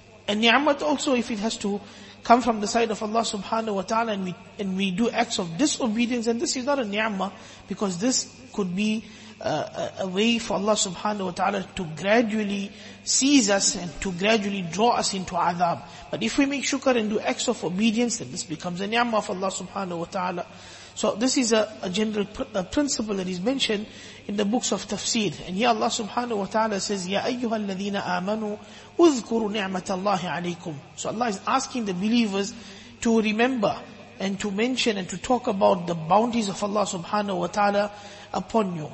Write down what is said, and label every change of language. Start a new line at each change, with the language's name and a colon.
English: And ni'mat also, if it has to come from the side of Allah subhanahu wa ta'ala and we do acts of disobedience, and this is not a ni'mah, because this could be a way for Allah subhanahu wa ta'ala to gradually seize us and to gradually draw us into adab. But if we make shukr and do acts of obedience, then this becomes a ni'mah of Allah subhanahu wa ta'ala. So this is a general principle that is mentioned in the books of tafsir. And here Allah subhanahu wa ta'ala says,
Arabic: يَا أَيُّهَا الَّذِينَ آمَنُوا اُذْكُرُوا نِعْمَةَ اللَّهِ عَلَيْكُمْ.
English: So Allah is asking the believers to remember and to mention and to talk about the bounties of Allah subhanahu wa ta'ala upon you.